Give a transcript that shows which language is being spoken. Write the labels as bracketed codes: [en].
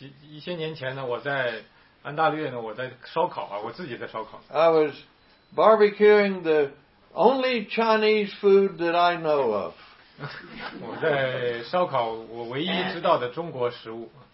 [zh] 一些年前呢，我在安大略呢，我在烧烤啊，我自己在烧烤。 [en] I was barbecuing the only Chinese food that I know of. [zh] 我在烧烤我唯一知道的中国食物。